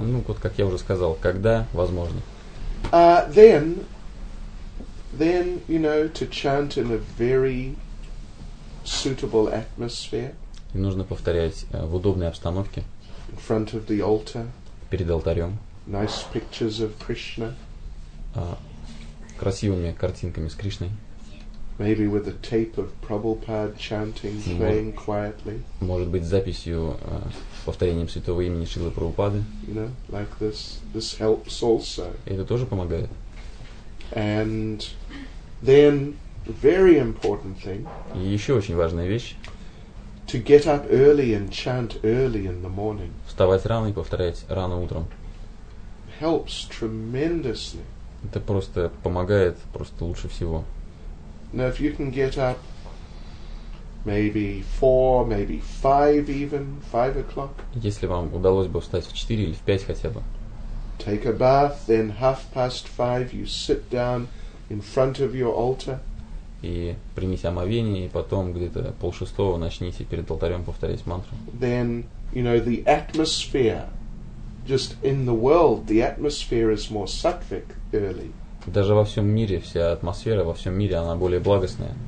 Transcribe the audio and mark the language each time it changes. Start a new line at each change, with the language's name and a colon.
Russian: Ну, вот как я уже сказал, когда возможно.
English: Then, you know, to chant in a very suitable atmosphere.
Russian: И нужно повторять в удобной обстановке.
English: In front of the altar.
Russian: Перед алтарем.
English: Nice pictures of Krishna.
Russian: Красивыми картинками с Кришной.
English: Maybe with a tape of Prabhupada chanting, playing quietly.
Russian: Может быть, записью повторением святого имени Шрилы Прабхупады.
English: You know, like this. This helps also.
Russian: Это тоже помогает.
English: And then, very important thing.
Russian: И еще очень важная вещь.
English: To get up early and chant early in the morning.
Russian: Вставать рано и повторять рано утром.
English: Helps tremendously.
Russian: Это просто помогает просто лучше всего.
English: Now, if you can get up, maybe 4, maybe 5, even 5 o'clock.
Russian: Если вам удалось бы встать в 4 или в 5 хотя бы.
English: Take a bath, then 5:30 you sit down in front of your altar.
Russian: И примите омовение, и потом где-то 5:30 начните перед алтарем повторять мантру.
English: Then, you know, the atmosphere, just in the world, the atmosphere is more sattvic early.
Russian: Даже во всем мире, вся атмосфера во всем мире, она более благостная.